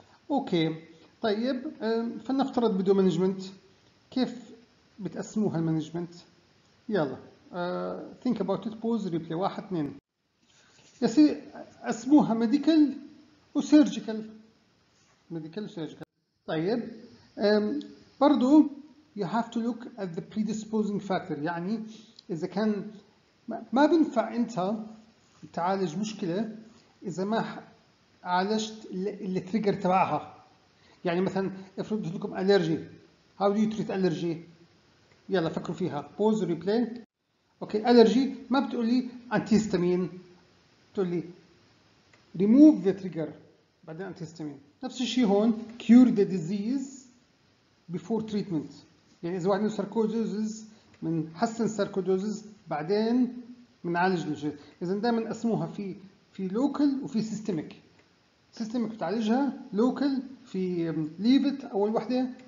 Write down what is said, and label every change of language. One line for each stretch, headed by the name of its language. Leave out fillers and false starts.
Arabic: أوكي، طيب فنفترض بدو مانجمنت، كيف بتقسموها المانجمنت؟ يلا
English: think about it، pause replay
Arabic: 1 2. يصير اسموها ميديكال وسيرجيكال. ميديكال وسيرجيكال. طيب برضو
English: you have to look at the predisposing factor.
Arabic: يعني اذا كان ما بنفع انت تعالج مشكلة اذا ما عالجت التريجر تبعها. يعني مثلا افرض لكم allergy.
English: How do you treat allergy؟
Arabic: يلا فكروا فيها.
English: Pause, replay.
Arabic: اوكي allergy ما بتقولي antihistamine. بتقولي
English: remove the trigger.
Arabic: بعدين antihistamine. نفس الشيء هون.
English: Cure the disease before treatment.
Arabic: يعني إذا واحد من sarcoidosis من حسن sarcoidosis بعدين منعالج الجلد. إذا دائما أسموها في local وفي systemic. Systemic بتعالجها. Local في
English: leave it
Arabic: أول واحدة.